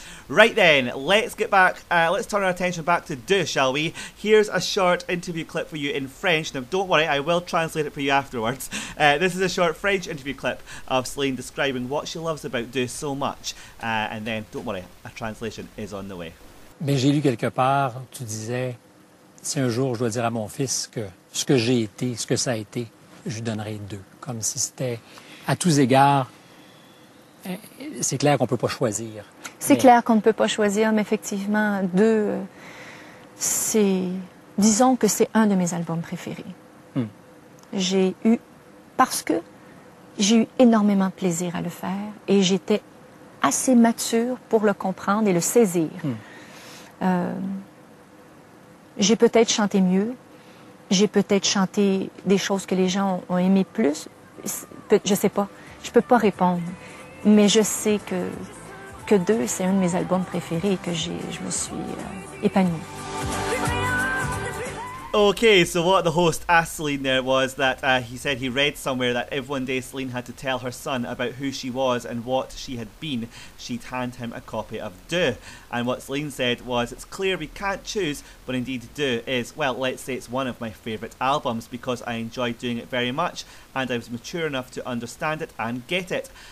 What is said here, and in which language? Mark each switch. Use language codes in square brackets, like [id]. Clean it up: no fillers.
[en] Right then, let's turn our attention back to Deux, shall we? Here's a short interview clip for you in French. Now, don't worry, I will translate it for you afterwards. This is a short French interview clip of Celine describing what she loves about Deux so much. And then, don't worry, a translation is on the way. [fr] Mais j'ai lu quelque part, tu disais, si un jour je dois dire à mon fils que ce que j'ai été, ce que ça a été, je lui donnerai deux. Comme si c'était, à tous égards, c'est clair qu'on ne peut pas choisir. Clair qu'on ne peut pas choisir, mais effectivement, deux, c'est... Disons que c'est un de mes albums préférés. J'ai eu... Parce que j'ai eu énormément de plaisir à le faire et j'étais assez mature pour le comprendre et le saisir. J'ai peut-être chanté mieux. J'ai peut-être chanté des choses que les gens ont aimées plus. Je sais pas. Je peux pas répondre. Mais je sais que deux, c'est un de mes albums préférés et que je me suis épanouie. [en] Okay, so what the host asked Celine there was that he said he read somewhere that if one day Celine had to tell her son about who she was and what she had been, she'd hand him a copy of Deux. And what Celine said was, it's clear we can't choose, but indeed Deux is, well, let's say it's one of my favourite albums because I enjoyed doing it very much and I was mature enough to understand it and get it.